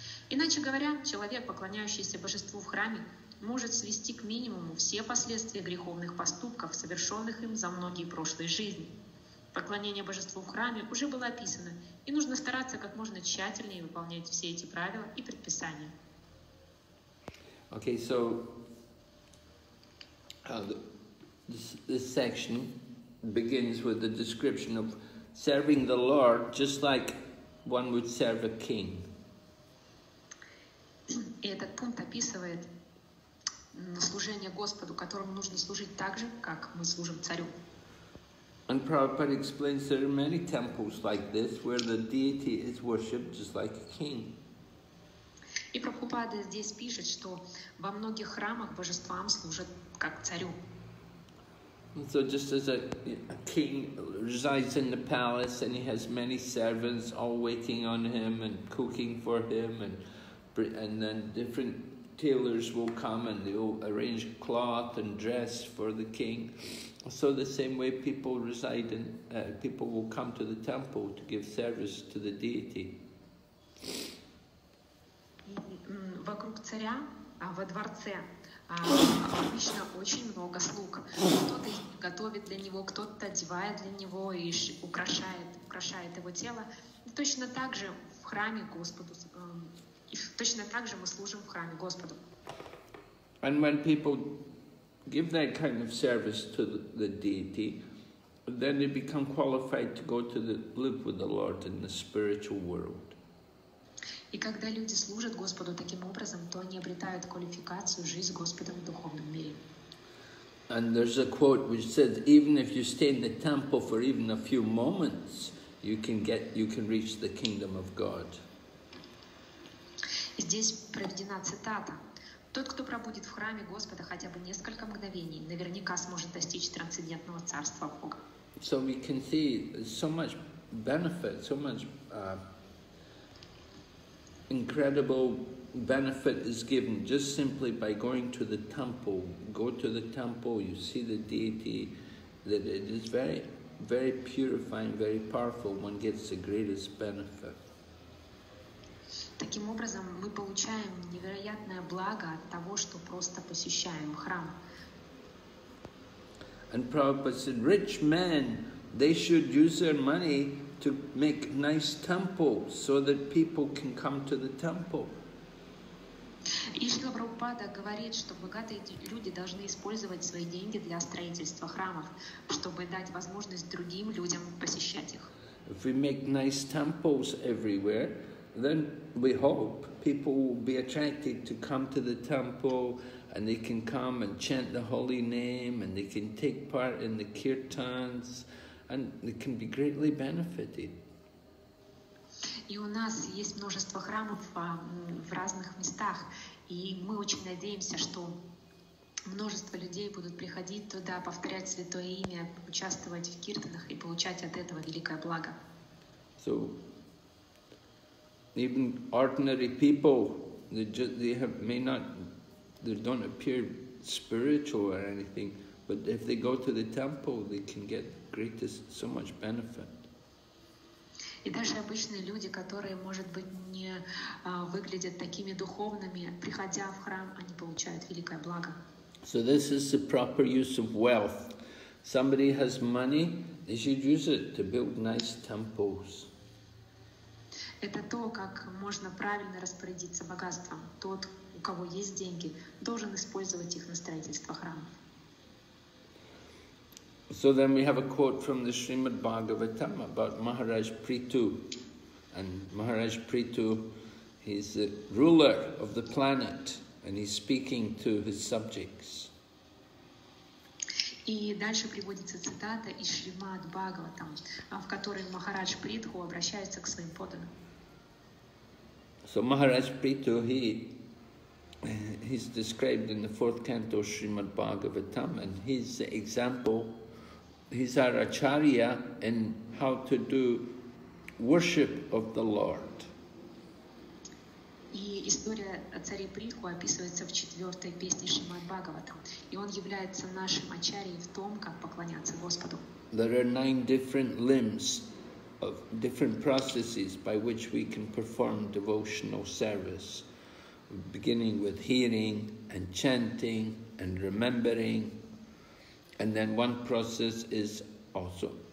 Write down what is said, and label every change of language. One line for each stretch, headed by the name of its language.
Russian: Иначе говоря, человек, поклоняющийся божеству в храме, может свести к минимуму все последствия греховных поступков, совершенных им за многие прошлые жизни. Поклонение божеству в храме уже было описано, и нужно стараться как можно тщательнее выполнять все эти правила и предписания.
English: Okay, so this section begins with the description of serving the Lord just like one would serve a king.
Russian: И этот пункт описывает служение Господу, которому нужно служить так же, как мы служим царю.
English: And Prabhupada explains there are many temples like this where the deity is worshipped just like a king.
Russian: И Прабхупада здесь пишет, что во многих храмах божествам служат как царю.
English: And so just as a king resides in the palace and he has many servants all waiting on him and cooking for him and then different tailors will come and they'll arrange cloth and dress for the king. So the same way people reside in, people will come to the temple to give service to the deity.
Russian: Вокруг царя, во дворце, обычно очень много слуг. Кто-то готовит для него, кто-то одевает для него и украшает его тело. Точно так же в храме Господу. Точно так же мы служим в храме Господу.
English: And when people give that kind of service to the deity, then they become qualified to go to live with the Lord in the spiritual world.
Russian: И когда люди служат Господу таким образом, то они обретают квалификацию жить с Господом в духовном мире.
English: And there's a quote which says, even if you stay in the temple for even a few moments, you can reach the kingdom of God.
Russian: Здесь приведена цитата. Тот, кто пробудет в храме Господа хотя бы несколько мгновений, наверняка сможет достичь трансцендентного царства Бога.
English: So we can see so much benefit, so much incredible benefit is given just simply by going to the temple. Go to the temple, you see the deity, that it is very, very purifying, very powerful. One gets the greatest benefit.
Russian: Таким образом, мы получаем невероятное благо от того, что просто посещаем храм.
English: And Prabhupada said, rich men, they should use their money to make nice temples so that people can come to the temple.
Russian: И Шрила Прабхупада говорит, что богатые люди должны использовать свои деньги для строительства храмов, чтобы дать возможность другим людям посещать их.
English: If we make nice temples everywhere, then we hope people will be attracted to come to the temple and they can come and chant the holy name and they can take part in the kirtans and they can be greatly benefited.
Russian: И у нас есть множество храмов в разных местах, и мы очень надеемся, что множество людей будут приходить туда, повторять святое имя, участвовать в киртанах и получать от этого великое благо.
English: So, even ordinary people, they don't appear spiritual or anything, but if they go to the temple, they can get greatest, so much benefit.
Russian: И даже обычные люди, которые, может быть, не выглядят такими духовными, приходя в храм, они получают великое благо.
English: So this is the proper use of wealth. Somebody has money, they should use it to build nice temples.
Russian: Это то, как можно правильно распорядиться богатством. Тот, у кого есть деньги, должен использовать их на строительство храма.
English: So then we have a quote from the Srimad Bhagavatam about Maharaj Prithu. And Maharaj Prithu, he's the ruler of the planet, and he's speaking to his subjects.
Russian: И дальше приводится цитата из Шримад Бхагаватам, в которой Махарадж Притху обращается к своим подданным.
English: So Maharaj Prithu, he's described in the fourth canto of Srimad Bhagavatam, and he's the example, he's our acharya in how to do worship of the Lord.
Russian: И история о царе Притху описывается в четвертой песне Шримад Бхагаватам, и он является нашим ачарьей в том, как поклоняться Господу.
English: There are 9 different limbs of different processes by which we can perform devotional service, beginning with hearing and chanting and remembering. And then one process is also